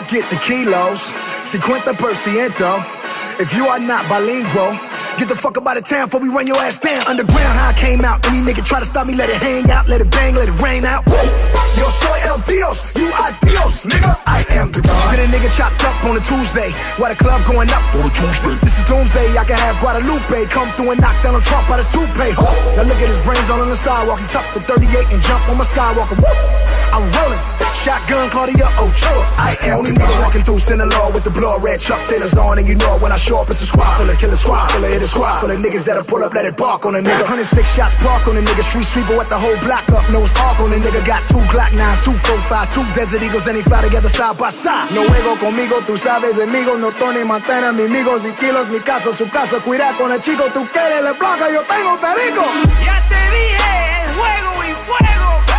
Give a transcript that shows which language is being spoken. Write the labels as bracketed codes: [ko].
[en] the kilos, [es] cincuenta per ciento. [en] If you are not bilingual, get the fuck up out of town before we run your ass down. Underground, how I came out. Any nigga try to stop me, let it hang out. Let it bang, let it rain out. Woo! [es] Yo soy el Dios, [en] you are Dios, nigga. I am the God. Get a nigga chopped up on a Tuesday. Why the club going up on a Tuesday? This is doomsday, I can have Guadalupe come through and knock down a Trump out his toupee. Woo! Now look at his brains all on the sidewalk. He tucked the 38 and jumped on my Skywalker. Woo! I'm rolling. Shotgun, Claudia, Ochoa. I am only the nigga walking through Sinaloa with the blood red Chuck Taylor's on. And you know it when I show up, it's a squad full of killer squad, full of hitter squad, full of niggas that'll pull up, let it bark on a nigga. 106 shots park on a nigga. Street sweeper with the whole block up. No spark on a nigga. Got two Glock 9s, two 45s, two Desert Eagles, and he fly together side by side. [es] No ego conmigo, tú sabes, amigo. No Tony Montana, mi amigos y kilos. Mi casa, su casa, cuida con el chico. Tú quieres la blanca, yo tengo perico. Ya te dije, es juego y fuego.